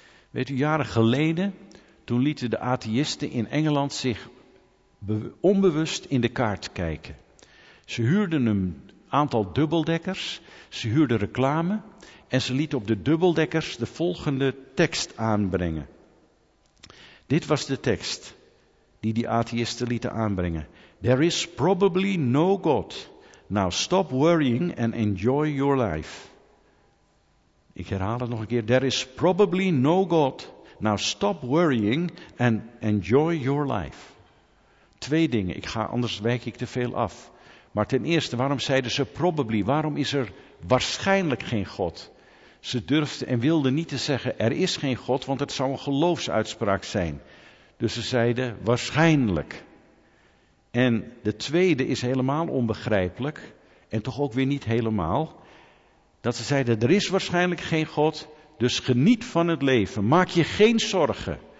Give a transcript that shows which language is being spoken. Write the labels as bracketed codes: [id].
[nl] Weet u, jaren geleden, toen lieten de atheïsten in Engeland zich onbewust in de kaart kijken. Ze huurden een aantal dubbeldekkers, ze huurde reclame en ze liet op de dubbeldekkers de volgende tekst aanbrengen. Dit was de tekst die de atheïsten lieten aanbrengen. [en] There is probably no God. Now stop worrying and enjoy your life. [nl] Ik herhaal het nog een keer. [en] There is probably no God. Now stop worrying and enjoy your life. [nl] Twee dingen, anders wijk ik te veel af. Maar ten eerste, waarom zeiden ze probably, waarom is er waarschijnlijk geen God? Ze durfden en wilden niet te zeggen, er is geen God, want het zou een geloofsuitspraak zijn. Dus ze zeiden, waarschijnlijk. En de tweede is helemaal onbegrijpelijk, en toch ook weer niet helemaal, dat ze zeiden, er is waarschijnlijk geen God, dus geniet van het leven, maak je geen zorgen.